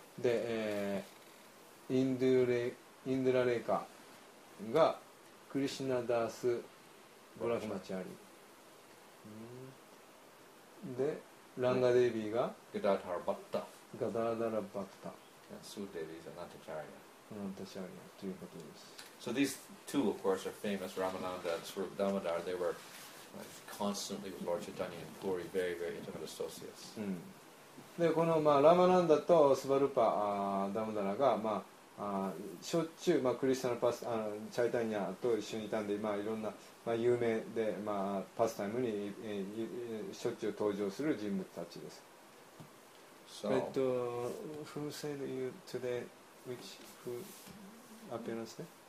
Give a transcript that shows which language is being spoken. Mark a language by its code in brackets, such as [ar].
[ja] で、インドゥラレカがクリシナ・ダース・ブラフマチャリ。で、ランガ・デビーが、ガダダラ・バッタ。ガダダラ・バッタ。スー・デビーザ・ナタチャリア。ナタチャリアということです。 [en] So these two, of course, are famous, Ramananda and Swarup Damodar. They were... constantly with Lord Chaitanya and Puri, very, very intimate associates.、 [ja] うん、で、この、まあ、ラマランダとスバルパダムダラが、まあ、しょっちゅう、まあ、クリスナパスチャイタニアと一緒にいたんで、まあ、いろんな、まあ、有名で、まあ、パスタイムに、しょっちゅう登場する人物たちです。 [en] So, but, who said you today, which, who appearance there?